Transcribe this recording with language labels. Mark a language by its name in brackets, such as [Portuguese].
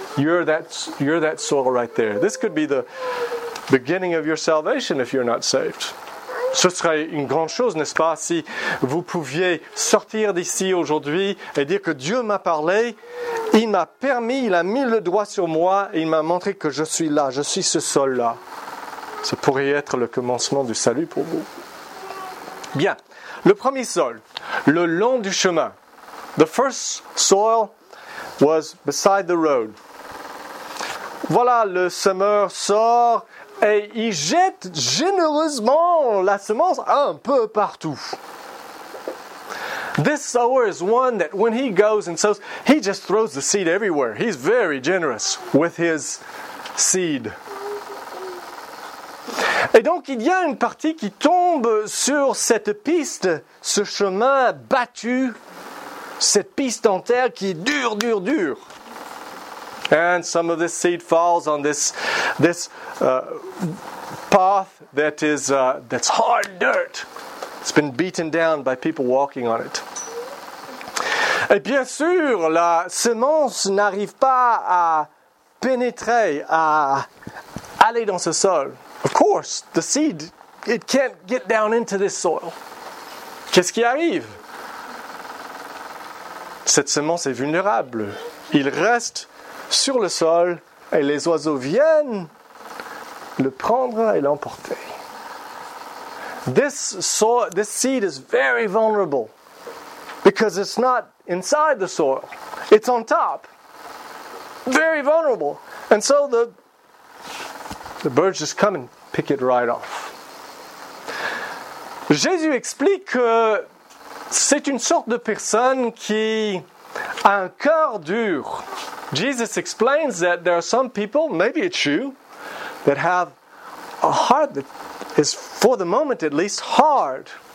[English] You're that soil right there. This could be the beginning of your salvation if you're not saved. [French] Ce serait une grande chose, n'est-ce pas, si vous pouviez sortir d'ici aujourd'hui et dire que Dieu m'a parlé, il m'a permis, il a mis le doigt sur moi et il m'a montré que je suis là, je suis ce sol-là. Ça pourrait être le commencement du salut pour vous. Bien. Le premier sol, le long du chemin. [English] The first soil was beside the road. [French] Voilà, le semeur sort et il jette généreusement la semence un peu partout. [English] This sower is one that when he goes and sows, he just throws the seed everywhere. He's very generous with his seed. [French] Et donc, il y a une partie qui tombe sur cette piste, ce chemin battu, cette piste en terre qui est dure, dure, dure. [English] And some of this seed falls on this path that's hard dirt. It's been beaten down by people walking on it. [French] Et bien sûr, la semence n'arrive pas à pénétrer, à aller dans ce sol. [English] Of course, the seed, it can't get down into this soil. [French] Qu'est-ce qui arrive? Cette semence est vulnérable. Il reste sur le sol et les oiseaux viennent le prendre et l'emporter. [English] This seed is very vulnerable because it's not inside the soil. It's on top. Very vulnerable. And so the birds just come and pick it right off. [French] Jésus explique que c'est une sorte de personne qui a un cœur dur. [English] Jesus explains that there are some people, maybe it's you, that have a heart that is, for the moment at least, hard.